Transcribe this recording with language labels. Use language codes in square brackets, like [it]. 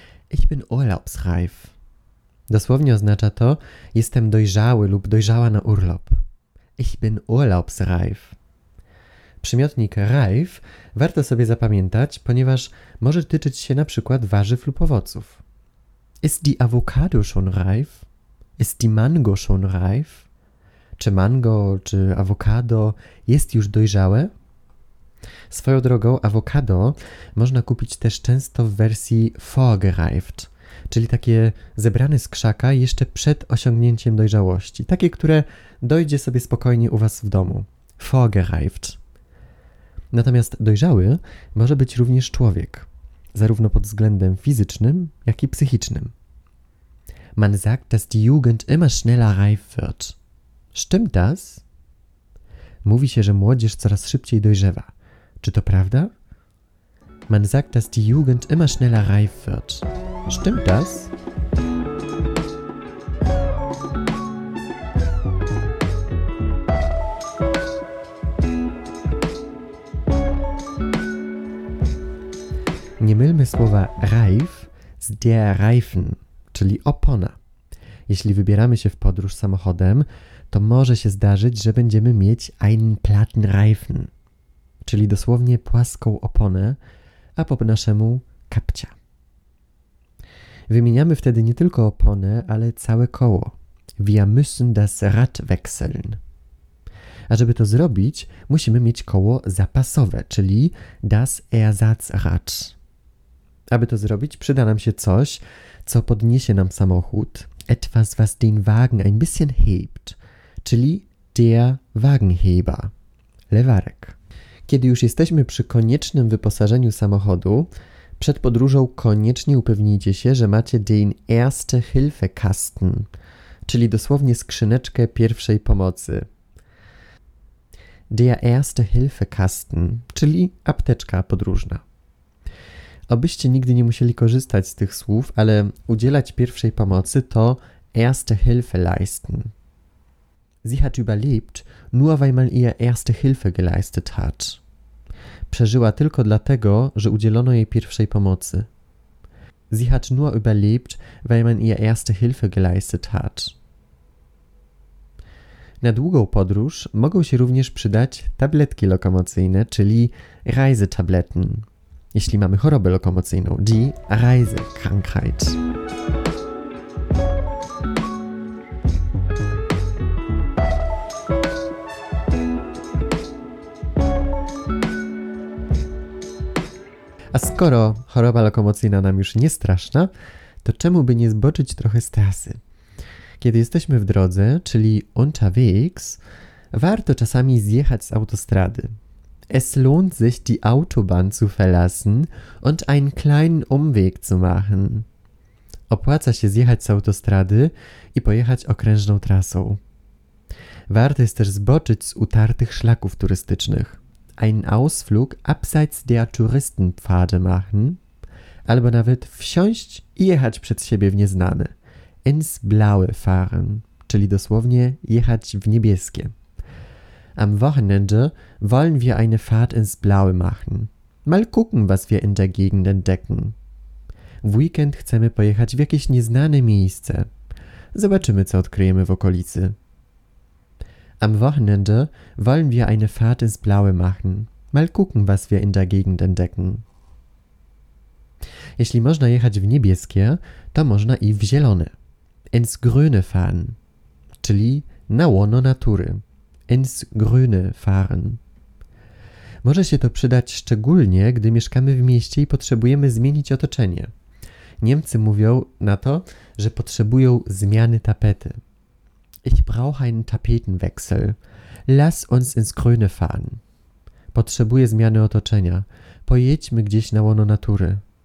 [de] Ich bin urlaubsreif. [pl] Dosłownie oznacza to, jestem dojrzały lub dojrzała na urlop. [de] Ich bin urlaubsreif. [pl] Przymiotnik reif warto sobie zapamiętać, ponieważ może tyczyć się na przykład warzyw lub owoców. [de] Ist die Avocado schon reif? Ist die Mango schon reif? [pl] Czy mango, czy awokado jest już dojrzałe? Swoją drogą, awokado można kupić też często w wersji vorgereift, czyli takie zebrane z krzaka jeszcze przed osiągnięciem dojrzałości. Takie, które dojdzie sobie spokojnie u Was w domu. Vorgereift. Natomiast dojrzały może być również człowiek, zarówno pod względem fizycznym, jak i psychicznym. [de] Man sagt, dass die Jugend immer schneller reif wird. Stimmt das? [pl] Mówi się, że młodzież coraz szybciej dojrzewa. Czy to prawda? [de] Man sagt, dass die Jugend immer schneller reif wird. Stimmt das? [pl] Nie mylmy słowa reif z der Reifen, czyli opona. Jeśli wybieramy się w podróż samochodem, to może się zdarzyć, że będziemy mieć einen platten Reifen, czyli dosłownie płaską oponę, a po naszemu kapcia. Wymieniamy wtedy nie tylko oponę, ale całe koło. [de] Wir müssen das Rad wechseln. [pl] A żeby to zrobić, musimy mieć koło zapasowe, czyli das Ersatzrad. Aby to zrobić, przyda nam się coś, co podniesie nam samochód. [de] Etwas, was den Wagen ein bisschen hebt. Czyli der Wagenheber. Lewarek. [pl] Kiedy już jesteśmy przy koniecznym wyposażeniu samochodu, przed podróżą koniecznie upewnijcie się, że macie den Erste Hilfe Kasten, czyli dosłownie skrzyneczkę pierwszej pomocy. Der Erste Hilfe Kasten, czyli apteczka podróżna. Obyście nigdy nie musieli korzystać z tych słów, ale udzielać pierwszej pomocy to Erste Hilfe leisten. [de] Sie hat überlebt, nur weil man ihr Erste Hilfe geleistet hat. [pl] Przeżyła tylko dlatego, że udzielono jej pierwszej pomocy. [de] Sie hat nur überlebt, weil man ihr Erste Hilfe geleistet hat. [pl] Na długą podróż mogą się również przydać tabletki lokomocyjne, czyli Reisetabletten, jeśli mamy chorobę lokomocyjną, die Reisekrankheit. A skoro choroba lokomocyjna nam już nie straszna, to czemu by nie zboczyć trochę z trasy? Kiedy jesteśmy w drodze, czyli unterwegs, warto czasami zjechać z autostrady. [de] Es lohnt sich, die Autobahn zu verlassen und einen kleinen Umweg zu machen. [pl] Opłaca się zjechać z autostrady i pojechać okrężną trasą. Warto jest też zboczyć z utartych szlaków turystycznych. [de] Einen Ausflug abseits der Touristenpfade machen, [pl] albo nawet wsiąść i jechać przed siebie w nieznane. [de] Ins Blaue fahren, [pl] czyli dosłownie jechać w niebieskie. [de] Am Wochenende wollen wir eine Fahrt ins Blaue machen. Mal gucken, was wir in der Gegend entdecken. [pl] W weekend chcemy pojechać w jakieś nieznane miejsce. Zobaczymy, co odkryjemy w okolicy. [de] Am Wochenende wollen wir eine Fahrt ins Blaue machen. Mal gucken, was wir in der Gegend entdecken. [pl] Jeśli można jechać w niebieskie, to można i w zielone. [de] Ins grüne fahren, [pl] czyli na łono natury. [de] Ins grüne fahren. [pl] Może się to przydać szczególnie, gdy mieszkamy w mieście i potrzebujemy zmienić otoczenie. Niemcy mówią na to, że potrzebują zmiany tapety. [de] Ich brauche einen Tapetenwechsel. Lass uns ins Grüne fahren. [pl] Potrzebuję zmiany otoczenia. Pojedźmy gdzieś na łono natury.